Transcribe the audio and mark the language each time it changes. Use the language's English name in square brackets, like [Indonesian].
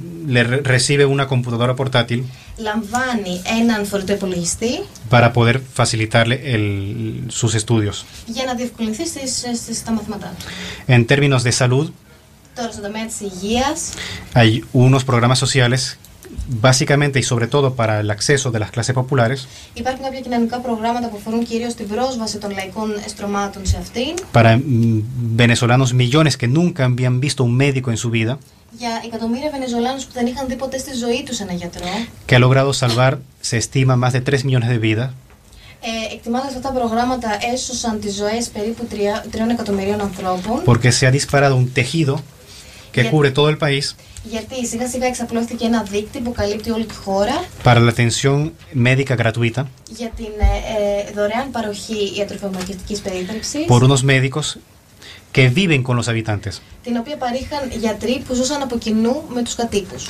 [Spanish] Le recibe una computadora portátil. [Greek] Λαμβάνει έναν φορητό υπολογιστή. [Spanish] Para poder facilitarle sus estudios. [Greek] Για να διευκολυνθεί στα μαθήματά του. [Spanish] En términos de salud. [Greek] Τώρα στον τομέα της υγείας. [Spanish] Hay unos programas sociales. Básicamente y sobre todo para el acceso de las clases populares. [Greek] Υπάρχουν κάποια κοινωνικά προγράμματα που αφορούν κυρίως την πρόσβαση των λαϊκών στρωμάτων σε αυτήν. [Spanish] Para venezolanos millones que nunca habían visto un médico en su vida. [Greek] Για εκατομμύρια Βενεζολάνους που δεν είχαν δει ποτέ στη ζωή τους ένα γιατρό. [Spanish] Que ha logrado salvar, se estima, más de 3 millones de vidas. [Greek] Εκτιμάται αυτά τα προγράμματα έσωσαν τις ζωές περίπου 3 εκατομμυρίων ανθρώπων. [Spanish] Porque se ha disparado un tejido que cubre todo el país. [Greek] Γιατί σιγά σιγά εξαπλώθηκε ένα δίκτυο που καλύπτει όλη τη χώρα. [Spanish] Para la atención médica gratuita. [Greek] Για την δωρεάν παροχή ιατροφαρμακευτικής περίθαλψης. [Spanish] Por unos médicos que viven con los habitantes. [Greek] Την οποία παρήχαν γιατροί που ζούσαν από κοινού με τους κατοίκους.